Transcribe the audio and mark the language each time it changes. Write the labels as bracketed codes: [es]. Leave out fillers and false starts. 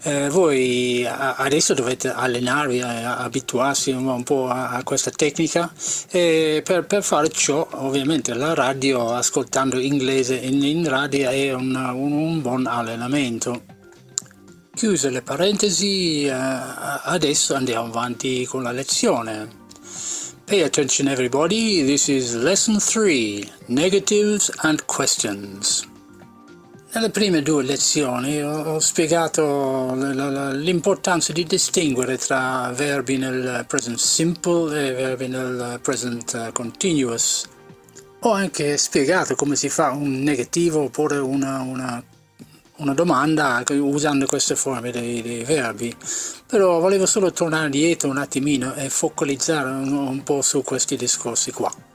[it] Voi adesso dovete allenarvi, abituarsi un po' a questa tecnica, e per fare ciò, ovviamente, la radio, ascoltando inglese in radio, è un buon allenamento. Chiuse le parentesi, adesso andiamo avanti con la lezione. [en] Pay attention everybody, this is lesson 3, negatives and questions. [it] Nelle prime due lezioni ho spiegato l'importanza di distinguere tra verbi nel present simple e verbi nel present continuous. Ho anche spiegato come si fa un negativo oppure una domanda usando queste forme dei verbi, però volevo solo tornare indietro un attimino e focalizzare un po' su questi discorsi qua.